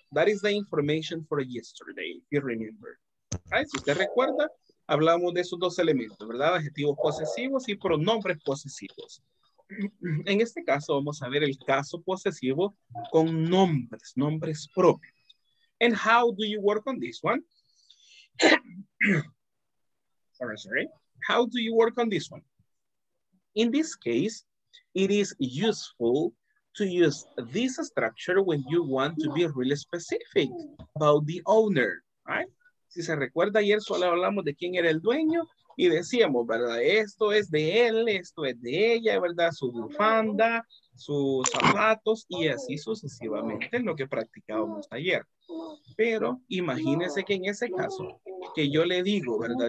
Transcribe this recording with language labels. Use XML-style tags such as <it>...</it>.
<en>That is the information for yesterday, if you remember. Right?</en> <es>Si usted recuerda, hablamos de esos dos elementos, ¿verdad? Adjetivos posesivos y pronombres posesivos. En este caso, vamos a ver el caso posesivo con nombres, nombres propios.</es> <en>And how do you work on this one? Sorry. How do you work on this one? In this case, it is useful to use this structure when you want to be really specific about the owner, right?</en> <es>Si se recuerda, ayer solo hablamos de quién era el dueño y decíamos, ¿verdad? Esto es de él, esto es de ella, ¿verdad? Su bufanda, sus zapatos y así sucesivamente lo que practicábamos ayer. Pero imagínese que en ese caso que yo le digo, ¿verdad?</es>